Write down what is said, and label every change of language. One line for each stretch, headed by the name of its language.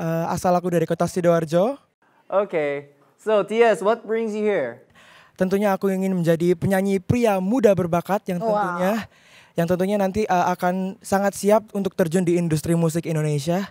Indonesian: Asal aku dari kota Sidoarjo.
English: Okay, so Diaz, what brings you here?
Indonesian: Tentunya aku ingin menjadi penyanyi pria muda berbakat yang tentunya, yang tentunya nanti akan sangat siap untuk terjun di industri musik Indonesia.